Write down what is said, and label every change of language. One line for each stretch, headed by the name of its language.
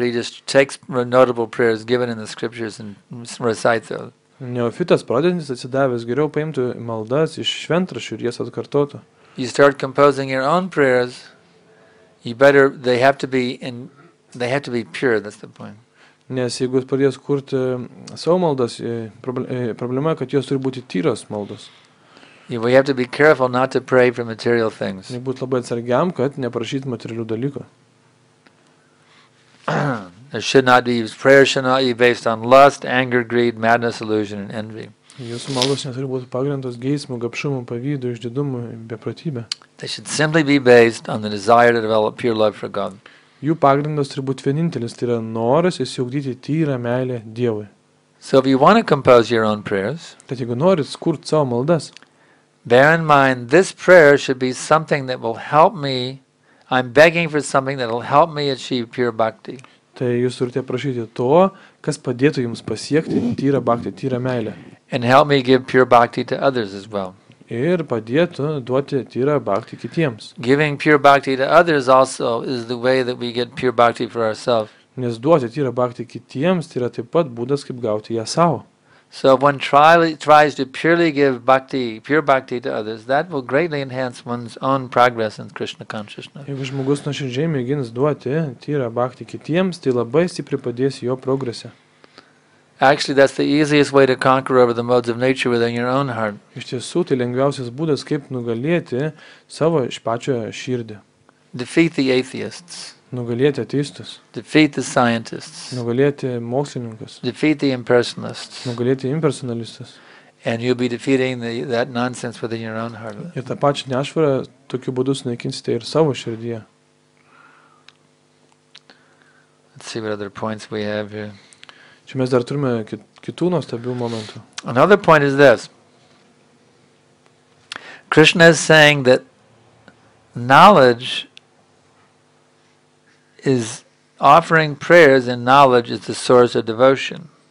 English: He just takes notable prayers given in the scriptures and recites those.
Lithuanian: Neofitas pradedantis atsidavęs geriau paimtų maldas iš šventraščių ir jas atkartotų.
English: You start composing your own prayers, they have to be pure, that's the point.
Lithuanian: Nes jeigu jūs pradės kurti savo maldas, problema, kad jos turi būti tyros maldos.
English: We have to be careful not to pray for material things.
Lithuanian: Ir būt labai atsargiam, kad neprašyti materialių dalykų.
English: Prayer should not be based on lust, anger, greed, madness, illusion and envy.
Lithuanian: Jūsų maldos neturi būti pagrindos geismų, gapšumų, pavydų, išdidumų, bepratybė.
English: They should simply be based on the desire to develop pure love for God.
Lithuanian: Jų pagrindas turi būti vienintelis, tai yra noras išsiugdyti tyrą meilę Dievui.
English: So if you want to compose your own prayers,
Lithuanian: tad jeigu norit kurti savo maldas,
English: bear in mind this prayer should be something that will help me, I'm begging for something that will help me achieve pure bhakti.
Lithuanian: Tai jūs turite prašyti to, kas padėtų jums pasiekti tyrą bhakti, tyrą meilę.
English: And help me give pure bhakti to others as well.
Lithuanian: Ir padėtų duoti tyrą bhakti kitiems.
English: Giving pure bhakti to others also is the way that we get pure bhakti for ourselves.
Lithuanian: Nes duoti tyrą bhakti kitiems tai yra taip pat būdas kaip gauti ją sau.
English: So if one tries to purely give bhakti, pure bhakti to others, that will greatly enhance one's own progress in Krishna consciousness.
Lithuanian: Jeigu žmogus nuoširdžiai mėgins duoti tyrą bhakti kitiems, tai labai stipriai padės jo progrese.
English: Actually, that's the easiest way to conquer over the modes of nature within your own heart.
Lithuanian: Iš tiesų, tai lengviausias būdas, kaip nugalėti savo iš pačio širdį.
English: Defeat the atheists.
Lithuanian: Nugalėti ateistus.
English: Defeat the scientists.
Lithuanian: Nugalėti mokslininkus.
English: Defeat the impersonalists.
Lithuanian: Nugalėti impersonalistus.
English: And you'll be defeating that nonsense within your own heart.
Lithuanian: Ir tą pačią nešvarą tokiu būdu sunaikinsite ir savo širdyje.
English: Let's see what other points we have here.
Lithuanian: Čia mes dar turime kitų nuostabių momentų.
English: Another point is this. Krishna is saying that knowledge is offering prayers and knowledge is the source of devotion.